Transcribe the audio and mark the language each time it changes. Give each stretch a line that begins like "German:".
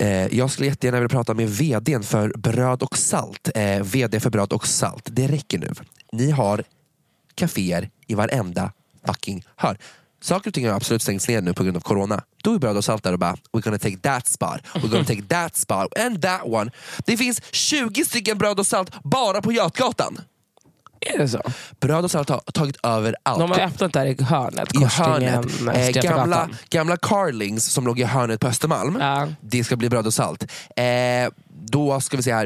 Swedish: Jag skulle jättegärna vilja prata med vd:n för bröd och salt. Vd för bröd och salt. Det räcker nu. Ni har kaféer i varenda fucking hör. Saker och ting har absolut stängts ner nu på grund av corona. Då är bröd och salt där och bara,
English: we're gonna take that spot. We're gonna take that spot and that one.
Swedish: Det finns 20 stycken bröd och salt bara på Götgatan. Är det så? Bröd och salt har tagit över allt. De har öppnat där i hörnet. I hörnet. Gamla Carlings som låg i hörnet på Östermalm. Ja. Det ska bli bröd och salt. Då ska vi se här.